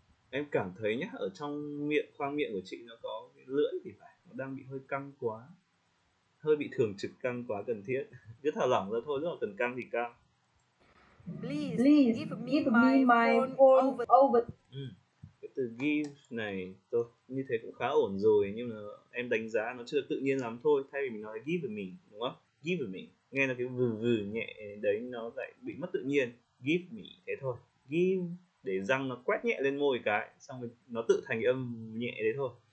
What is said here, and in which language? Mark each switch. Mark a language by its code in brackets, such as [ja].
[vi] Em cảm thấy nhá, ở trong miệng, khoang miệng của chị nó có cái lưỡi thì phải, nó đang bị hơi căng quá. Hơi bị thường trực căng quá cần thiết. Cứ thả lỏng ra thôi, rất là cần căng thì căng. [en] Please give me my phone over. [vi] Từ give này thôi, như thế cũng khá ổn rồi, nhưng mà em đánh giá nó chưa tự nhiên lắm thôi. Thay vì mình nói give me, đúng không? Give me, nghe là cái vừ vừ nhẹ đấy, nó lại bị mất tự nhiên. Give me, thế thôi. Give để răng nó quét nhẹ lên môi cái, xong rồi nó tự thành âm nhẹ đấy thôi.